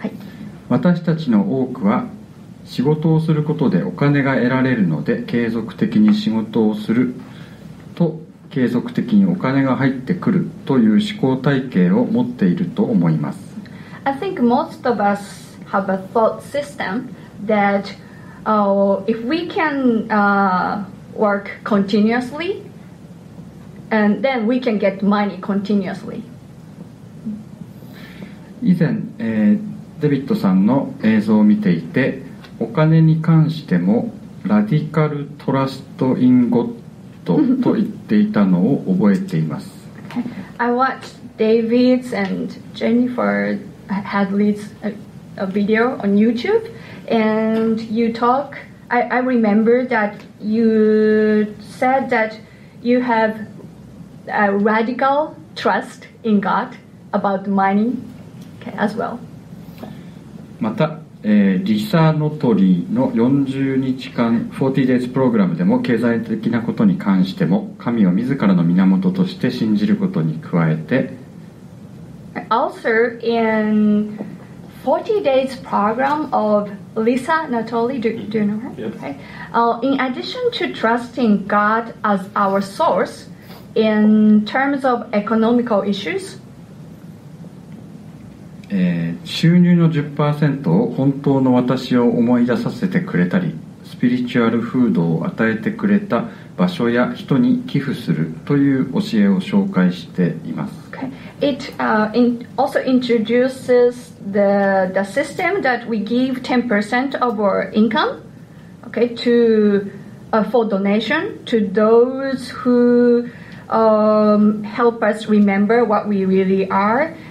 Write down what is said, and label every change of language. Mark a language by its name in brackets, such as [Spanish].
[Japanese] Okay. 私たちの多くは仕事をすることでお金が得られるので継続的に仕事をすると継続的にお金が入ってくるという思考体系を持っていると思います。 [English] I think most of us have a thought system that、if we can、work continuously and then we can get money continuously。 [Japanese] 以前、デビッドさんの映像を見ていて、お金に関してもラディカルトラスト・イン・ゴッドと言っていたのを覚えています。 [English] Okay. I watched David's and Jennifer Hadley's a video on YouTube, and you talk. I remember that you said that you have a radical trust in God about money, okay, as well. [Japanese] また。リサノトリの40日間 40 days プログラムでも経済的なことに関しても神を自らの源として信じることに加えて、 [English] Also in 40 days program of Lisa Natoli, do you know her? Yes. Okay. In addition to trusting God as our source in terms of economical issues、 [Japanese] 収入の 10% を本当の私を思い出させてくれたり、スピリチュアルフードを与えてくれた場所や人に寄付するという教えを紹介しています。 [English] Okay. It also introduces the system that we give 10% of our income, okay, to for donation to those who help us remember what we really are.